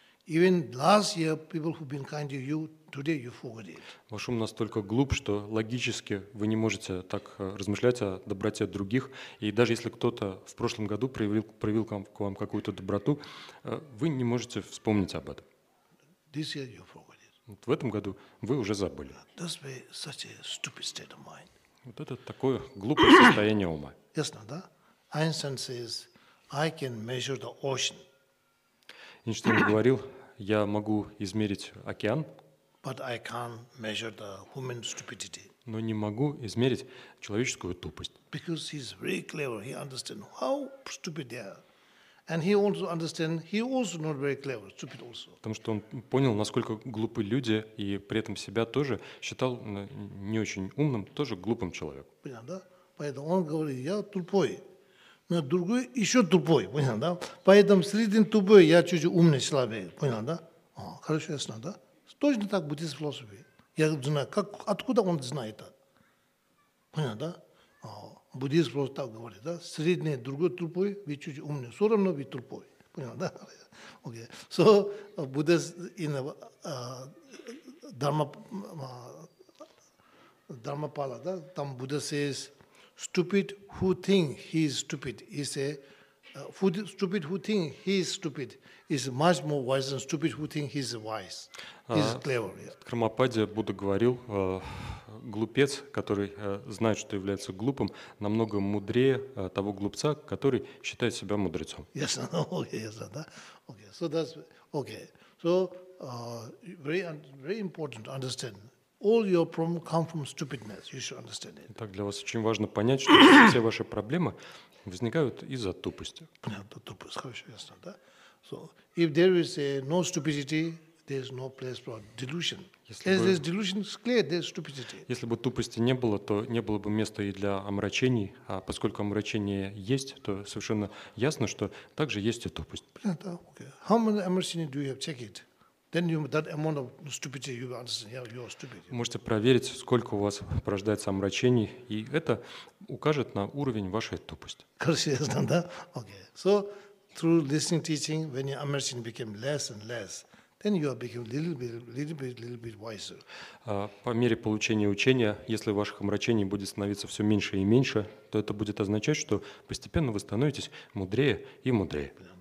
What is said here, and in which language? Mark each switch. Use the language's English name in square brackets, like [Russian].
[English] Even last year, people who've been kind to you, today you forget it. [Russian] Ваш ум настолько глуп, что логически вы не можете так размышлять о доброте других. И даже если кто-то в прошлом году проявил к вам какую-то доброту, вы не можете вспомнить об этом. [English] This year you forget it. [Russian] Вот в этом году вы уже забыли. [English] That's why such a stupid state of mind. [Russian] Вот это такое глупое состояние ума. Ясно, да? [English] Einstein says, I can measure the ocean. [Russian] Эйнштейн говорил, я могу измерить океан, [English] but I can't measure the human stupidity. [Russian] Но не могу измерить человеческую тупость. [English] Because he's very clever, he understands how stupid they are. And he also understands, he also not very clever, stupid also. [Russian] Потому что он понял, насколько глупы люди, и при этом себя тоже считал не очень умным, тоже глупым человеком. Понятно, да? Поэтому он говорит, я тупой. Но другой еще тупой, понял, да? Поэтому среди тупой я чуть умнее, слабее, понял, да? О, хорошо, ясно, да? Точно так будет с философией. Я знаю, как, откуда он знает это? Понял, да? О, буддист просто так говорит, да? Средний другой тупой, вы чуть умнее, все равно вы тупой. Понял, да? Окей. [English] So, Buddha in Dharmapala, [Russian] да? [English] Там Buddha says, stupid who think he is stupid is a stupid who think he is stupid is much more wise than stupid who think he is wise. He's clever. Yeah. [Russian] Крамападе Будда говорил, глупец, который знает, что является глупым, намного мудрее того глупца, который считает себя мудрецом. Ясно, окей, ясно, да? [English] Okay. So that's okay. So very important to understand. All your problems come from stupidness. You should understand it. [Russian] Так для вас очень важно понять, что все ваши проблемы возникают из-за тупости. Понятно, тупость, хорошо, ясно, да? [English] So, if there is no stupidity, there is no place for delusion. As there is delusion, it's clear there is stupidity. [Russian] Если бы тупости не было, то не было бы места и для омрачений. А поскольку омрачение есть, то совершенно ясно, что также есть и тупость. [English] Понятно, okay. How many омрачений do you have? Check it. Then you, that amount of stupidity you understand, yeah, you are stupid. [Russian] Можете проверить, сколько у вас порождается омрачений, и это укажет на уровень вашей тупости. Конечно, да? Okay. [English] So through listening teaching, when your омрачений became less and less, then you are becoming little bit wiser. [Russian] По мере получения учения, если ваших омрачений будет становиться все меньше и меньше, то это будет означать, что постепенно вы становитесь мудрее и мудрее.